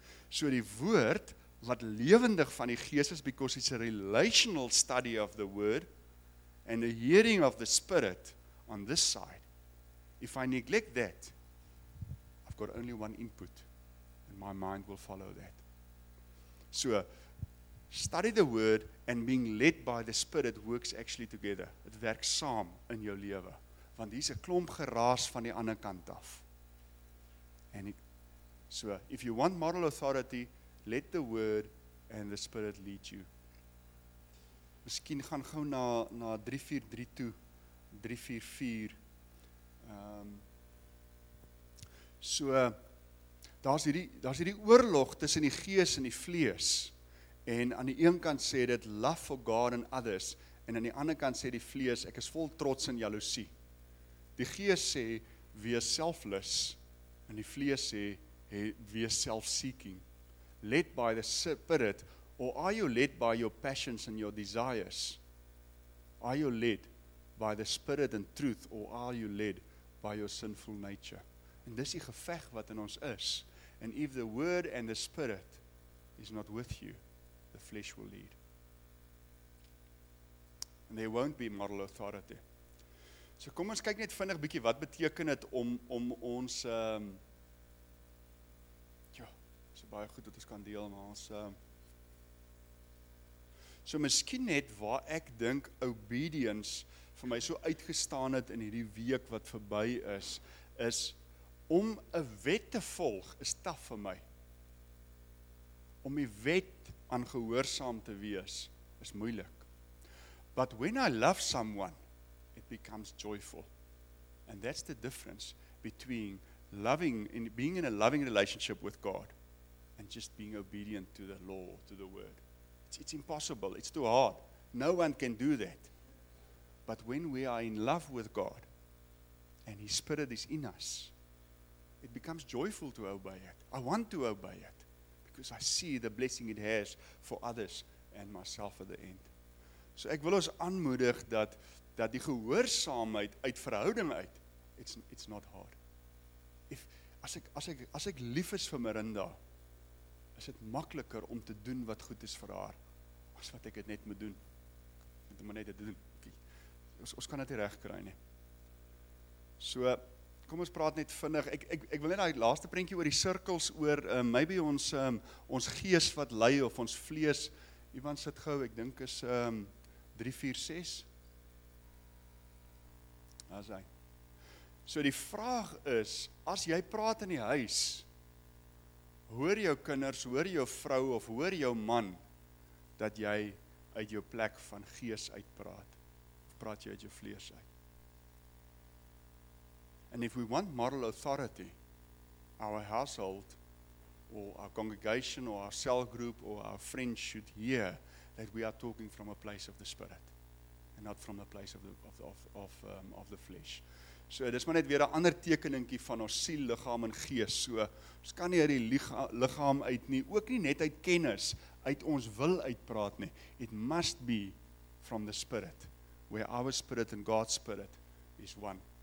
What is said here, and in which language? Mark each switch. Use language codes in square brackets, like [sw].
[af] So die woord, wat lewendig van die Gees is, [en] because it's a relational study of the word, and the hearing of the Spirit on this side. If I neglect that, I've got only one input, and my mind will follow that. So, study the word, and being led by the Spirit works actually together. [af] Het werk saam in jou lewe, want hier is 'n klomp geraas van die ander kant af. [en] And so, if you want moral authority, let the word and the Spirit lead you. [af] Miskien gaan gou na 343 toe, 344, So daar's hierdie oorlog tussen die gees en die vlees. En aan die een kant sê dit [en] love for God and others, [af] en aan die ander kant sê die vlees ek is vol trots en jaloesie. Die gees sê wees selflus en die vlees sê wees self-seeking. [en] Led by the spirit or are you led by your passions and your desires? Are you led by the spirit and truth or are you led by your sinful nature? [af] En dis die geveg wat in ons is. [en] And if the word and the spirit is not with you, the flesh will lead. And there won't be moral authority. [af] So kom ons kyk net vinnig bietjie wat beteken dit om ons so baie goed wat ons kan deel, maar ons so miskien net waar ek dink obedience vir my so uitgestaan het in hierdie week wat verby is, is om 'n wet te volg is taf vir my. Om die wet aan gehoorsaam te wees is moeilik. [en] But when I love someone, it becomes joyful. And that's the difference between loving and being in a loving relationship with God and just being obedient to the law, to the word. It's impossible. It's too hard. No one can do that. But when we are in love with God and His Spirit is in us, it becomes joyful to obey it. I want to obey it because I see the blessing it has for others and myself at the end. [af] So ek wil ons aanmoedig dat die gehoorsaamheid uit verhouding uit, [en] it's not hard. [af] As ek lief is vir Miranda, is dit makliker om te doen wat goed is vir haar as wat ek dit net moet doen. Moet maar net dit doen. Ons kan dit reg kry nie. So kom ons praat net vinnig. Ek wil net daai laaste prentjie oor die sirkels oor maybe ons gees wat lei of ons vlees. Ivan sit gou, ek dink is 3, 4, 6. Daar is hy. So die vraag is, as jy praat in die huis, hoor jou kinders, hoor jou vrou of hoor jou man dat jy uit jou plek van gees uitpraat? Of praat jy uit jou vlees uit? [en] And if we want moral authority, our household or our congregation or our cell group or our friends should hear that we are talking from a place of the spirit and not from a place of the flesh. [af] So dis maar net weer 'n ander tekeningkie van ons siel, liggaam en gees. So ons kan nie uit die liggaam uit nie, ook nie net uit kennis uit ons wil uitpraat nie. [en] It must be from the spirit where our spirit and God's spirit is one.